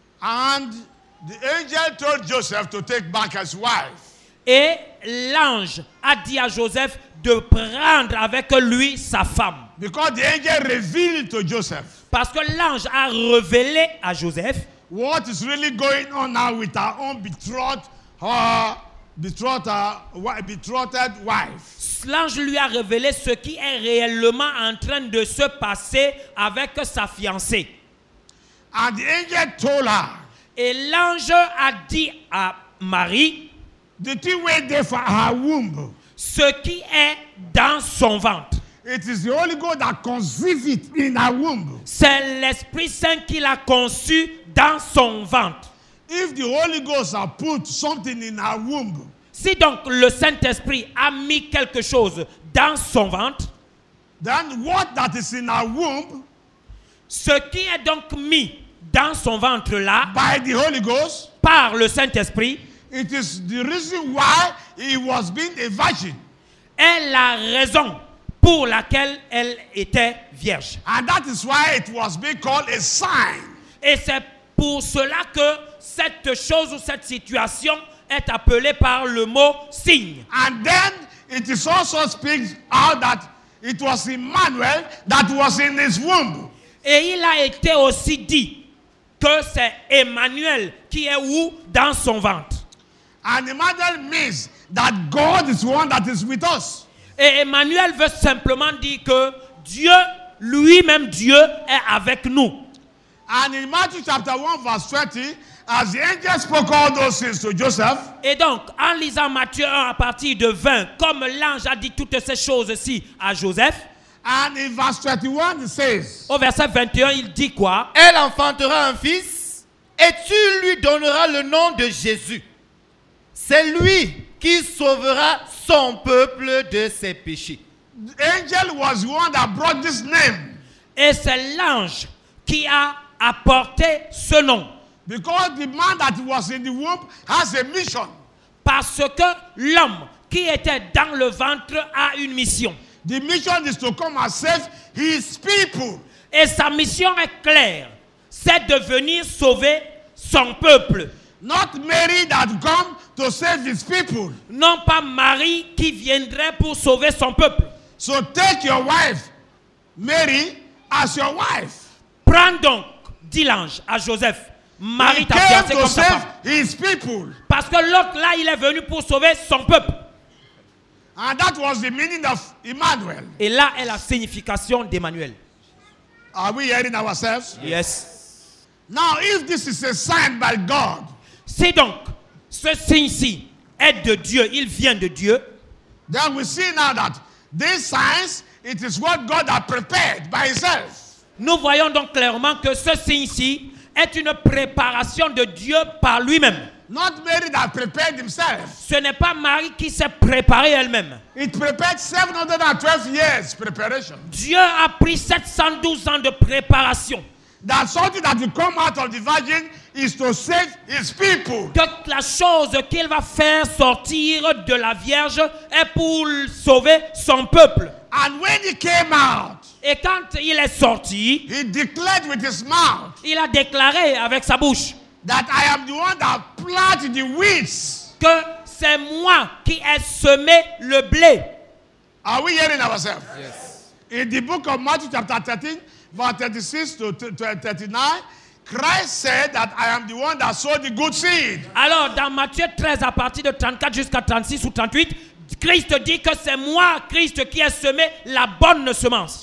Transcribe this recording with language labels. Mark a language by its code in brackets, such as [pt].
[en] And the angel told Joseph to take back his wife. [fr] Et l'ange a dit à Joseph de prendre avec lui sa femme. [en] Because the angel revealed to Joseph. [fr] Parce que l'ange a révélé à Joseph. [en] What is really going on now with our own betrothed wife. [fr] L'ange lui a révélé ce qui est réellement en train de se passer avec sa fiancée. [en] And the angel told her. [fr] Et l'ange a dit à Marie. [en] The thing went there for her womb. [fr] Ce qui est dans son ventre. [en] It is the Holy Ghost that conceived it in her womb. [fr] C'est l'Esprit Saint qui l'a conçu dans son ventre. [en] If the Holy Ghost has put something in her womb, [fr] si donc le Saint-Esprit a mis quelque chose dans son ventre, [en] then what that is in her womb, [fr] ce qui est donc mis dans son ventre là, [en] by the Holy Ghost, [fr] par le Saint-Esprit, [en] it is the reason why he was being a virgin, [fr] est la raison pour laquelle elle était vierge. [en] And that is why it was being called a sign. [fr] Et c'est pour cela que cette chose ou cette situation est appelée par le mot signe. [en] And then it is also speaks out that it was Emmanuel that was in his womb. [fr] Et il a été aussi dit que c'est Emmanuel qui est où dans son ventre. [en] And Emmanuel means that God is the one that is with us. [fr] Et Emmanuel veut simplement dire que Dieu, lui-même Dieu, est avec nous. [en] And in Matthew chapter 1 verse 20, as the angel spoke all those things to Joseph. [fr] Et donc, en lisant Matthieu 1 à partir de 20, comme l'ange a dit toutes ces choses-ci à Joseph. [en] And in verse 21, it says. [fr] Au verset 21, il dit quoi? Elle enfantera un fils et tu lui donneras le nom de Jésus. C'est lui qui sauvera son peuple de ses péchés. [en] The angel was the one that brought this name. [fr] Et c'est l'ange qui a apporté ce nom. [en] Because the man that was in the womb has a mission. [fr] Parce que l'homme qui était dans le ventre a une mission. [en] The mission is to come and save his people. [fr] Et sa mission est claire. C'est de venir sauver son peuple. [en] Not Mary that come to save his people. [fr] Non pas Marie qui viendrait pour sauver son peuple. [en] So take your wife, Mary, as your wife. [fr] Prends donc, dit l'ange à Joseph, Marie ta fiancée comme sa femme. Parce que l'autre là, il est venu pour sauver son peuple. [en] And that was the meaning of Emmanuel. [fr] Et là est la signification d'Emmanuel. [en] Are we hearing ourselves? Yes. Now, if this is a sign by God, [fr] si donc ce signe-ci est de Dieu, il vient de Dieu. [en] Then we see now that these signs, it is what God has prepared by Himself. [fr] Nous voyons donc clairement que ce signe-ci est une préparation de Dieu par lui-même. [en] Not Mary that prepared himself. [fr] Ce n'est pas Marie qui s'est préparée elle-même. [en] It prepared 712 years preparation. [fr] Dieu a pris 712 ans de préparation. [en] That something that will come out of the virgin is to save his people. [fr] Toute la chose qu'il va faire sortir de la Vierge est pour sauver son peuple. [en] And when he came out, [fr] et quand il est sorti, [en] he declared with his mouth, [fr] il a déclaré avec sa bouche, [en] that I am the one that planted the weeds. [fr] Que c'est moi qui ai semé le blé. [en] Are we hearing ourselves? Yes. In the book of Matthew chapter 13, verse 36 to 39, Christ said that I am the one that sowed the good seed. [fr] Alors dans Matthieu 13, à partir de 34 jusqu'à 36 ou 38, Christ dit que c'est moi, Christ, qui ai semé la bonne semence.